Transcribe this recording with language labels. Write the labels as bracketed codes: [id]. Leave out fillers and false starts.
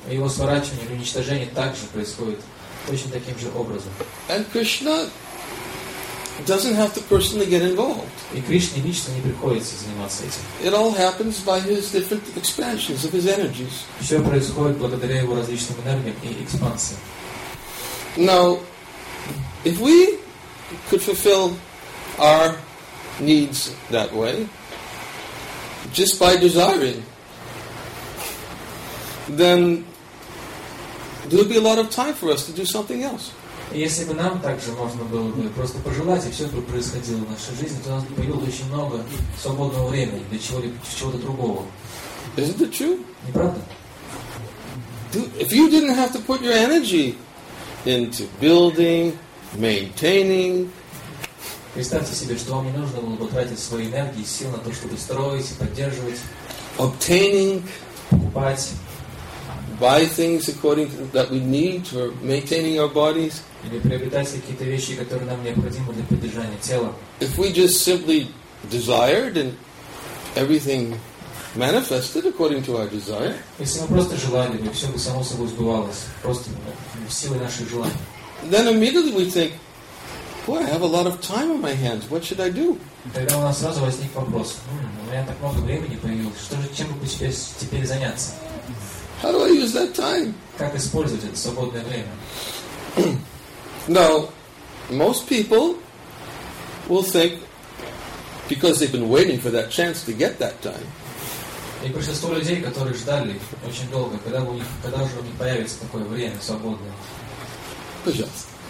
[ru] И его сворачивание, уничтожение также происходит точно таким же образом. [en] And Krishna doesn't have to personally get involved. [ru] И Кришне лично не приходится заниматься этим. [en] It all happens by his different expansions of his energies. [ru] Все происходит благодаря его различным энергиям и экспансии. [en] Now, if we could fulfill our needs that way, just by desiring, then there would be a lot of time for us to do something else. [ru] Если бы нам также можно было бы просто пожелать, и все бы происходило в нашей жизни, то у нас бы появилось очень много свободного времени для чего-то другого. [en] Isn't it true? [ru] Не правда? [en] If you didn't have to put your energy into building, maintaining. [ru] Представьте себе, что вам не нужно было бы тратить свои энергии и силы на то, чтобы строить, поддерживать. [en] Obtaining. [ru] Покупать. [en] Buy things according to, that we need for maintaining our bodies. [ru] Или приобретать какие-то вещи, которые нам необходимы для поддержания тела. [en] If we just simply desired and everything manifested according to our desire. [ru] Если мы просто желали, то все бы само собой сбывалось. Просто силой наших желаний. [en] Then immediately we think, boy, I have a лот of time on my hands. What should I do? [ru] Тогда у нас сразу возник вопрос. У меня так много времени появилось. Что же, чем бы теперь заняться? [en] How do I use that time? [ru] Как использовать это свободное время? [en] Now, most people will think, because they've been waiting for that chance to get that time. [ru] И большинство людей, которые ждали очень долго, когда же у них появится такое время свободное. Пожалуйста.